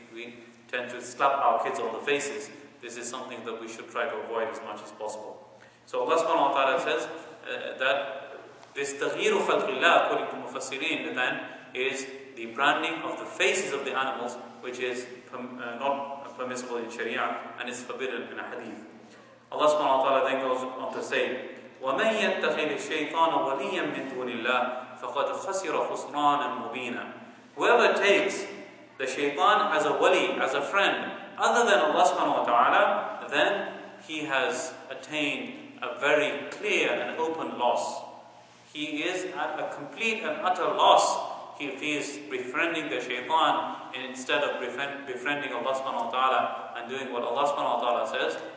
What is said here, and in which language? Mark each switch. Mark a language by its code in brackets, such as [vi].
[en] We tend to slap our kids on the faces. This is something that we should try to avoid as much as possible. So Allah subhanahu wa ta'ala says that this taghyiru khalqillah, according to mufassirin, then is the branding of the faces of the animals, which is not permissible in Sharia and is forbidden in a hadith. [ar] Allah subhanahu wa ta'ala then goes on to say, وَمَنْ يَتَّخِذِ الشَّيْطَانَ وَلِيًّا مِنْ دُونِ اللَّهِ فَقَدْ خَسِرَ خُسْرَانًا مُبِينًا. [en] Whoever takes the shaytan as a wali, as a friend, other than Allah subhanahu wa ta'ala, then he has attained a very clear and open loss. He is at a complete and utter loss if he is befriending the shaytan instead of befriending Allah subhanahu wa ta'ala and doing what Allah subhanahu wa ta'ala says.